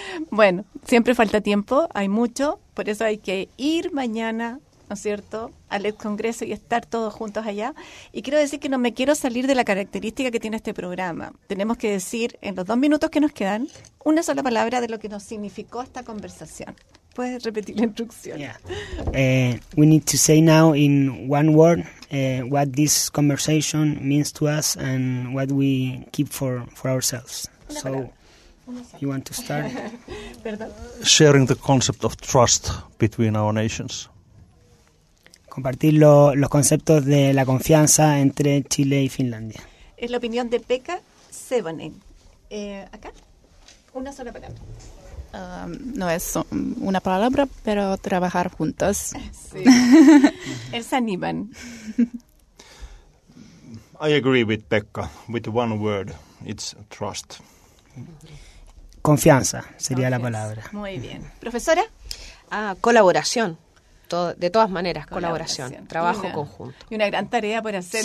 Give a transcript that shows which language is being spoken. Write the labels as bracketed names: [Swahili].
[Spanish] Bueno, siempre falta tiempo, hay mucho, por eso hay que ir mañana, ¿no es cierto?, al Congreso y estar todos juntos allá. Y quiero decir que no me quiero salir de la característica que tiene este programa. Tenemos que decir, en los dos minutos que nos quedan, una sola palabra de lo que nos significó esta conversación. Puedes repetir la instrucción. [English] We need to say now in one word what this conversation means to us and what we keep for ourselves. [Spanish] Una so, palabra. [English] You want to start? [Spanish] Perdón. [English] Sharing the concept of trust between our nations. [Spanish] Compartir los conceptos de la confianza entre Chile y Finlandia. Es la opinión de Pekka Sevonen. Acá, una sola palabra. No es una palabra, pero trabajar juntos. Sí. Es animan. [English] I agree with Pekka, with one word. It's trust. [Spanish] Confianza sería la palabra. Muy bien. ¿Profesora? Colaboración. De todas maneras, colaboración, trabajo conjunto. Y una gran tarea por hacer.